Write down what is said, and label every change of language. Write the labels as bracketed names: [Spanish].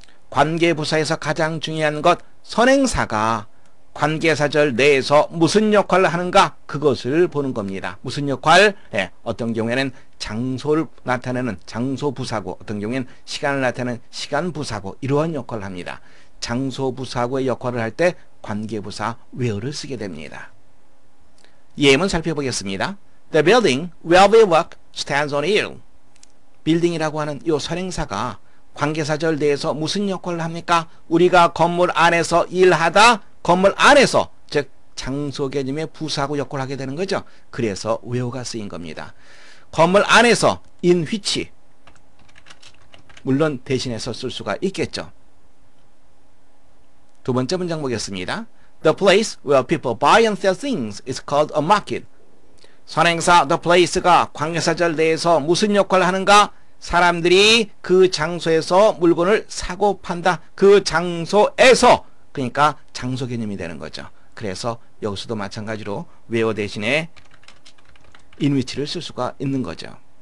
[Korean] 관계 부사에서 가장 중요한 것, 선행사가 관계사절 내에서 무슨 역할을 하는가, 그것을 보는 겁니다. 무슨 역할? 네, 어떤 경우에는 장소를 나타내는 장소 부사고, 어떤 경우에는 시간을 나타내는 시간 부사고, 이러한 역할을 합니다. 장소 부사고의 역할을 할 때 관계부사 where를 쓰게 됩니다. 예문 살펴보겠습니다. [English] The building where we work stands on a hill. [Korean] 빌딩이라고 하는 이 선행사가 관계사절 내에서 무슨 역할을 합니까? 우리가 건물 안에서 일하다 건물 안에서 즉 장소 개념의 부사하고 역할을 하게 되는 거죠. 그래서 where가 쓰인 겁니다. 건물 안에서 in which 물론 대신해서 쓸 수가 있겠죠. 두 번째 문장 보겠습니다. [English] The place where people buy and sell things is called a market. [Korean] 선행사 the place가 관계사절 내에서 무슨 역할을 하는가? 사람들이 그 장소에서 물건을 사고 판다. 그 장소에서 그러니까 장소 개념이 되는 거죠. 그래서 여기서도 마찬가지로 where 대신에 in which를 쓸 수가 있는 거죠.